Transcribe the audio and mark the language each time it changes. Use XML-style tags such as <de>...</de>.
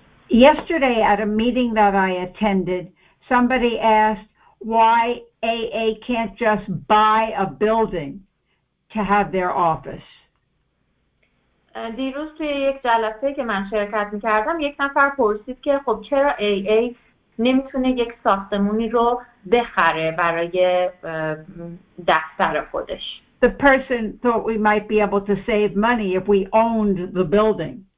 <en>Yesterday at a meeting that I attended, somebody asked why AA can't just buy a building to have their office.</en> <fa>دیروز توی یک جلسه که من شرکت می‌کردم یک نفر پرسید که خب چرا AA نمیتونه یک ساختمونی رو بخره برای دفتر خودش.</fa> <en>The person thought we might be able to save money if we owned the building.</en>